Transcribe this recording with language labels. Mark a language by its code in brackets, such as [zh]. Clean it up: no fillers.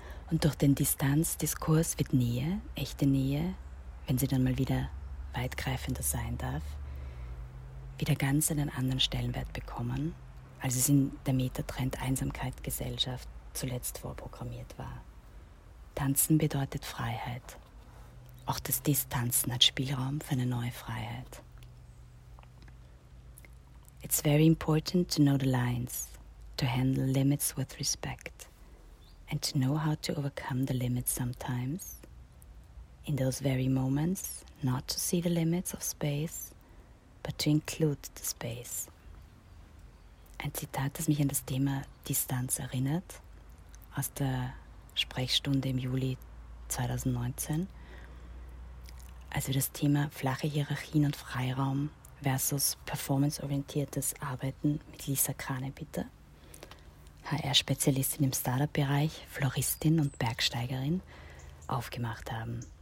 [de] Und durch den Distanzdiskurs wird Nähe, echte Nähe, wenn sie dann mal wieder weitgreifender sein darf, wieder ganz einen anderen Stellenwert bekommen, als es in der Metatrend Einsamkeit-Gesellschaft zuletzt vorprogrammiert war. Tanzen bedeutet Freiheit. Auch das Distanzen hat Spielraum für eine neue Freiheit. [en] It's very important to know the lines, to handle limits with respect, and to know how to overcome the limits sometimes. In those very moments, not to see the limits of space, but to include the space. [de] Ein Zitat, das mich an das Thema Distanz erinnert, aus der Sprechstunde im Juli 2019, als wir das Thema flache Hierarchien und Freiraum versus performanceorientiertes Arbeiten mit Lisa Kranebitter, HR-Spezialistin im Startup-Bereich, Floristin und Bergsteigerin, aufgemacht haben.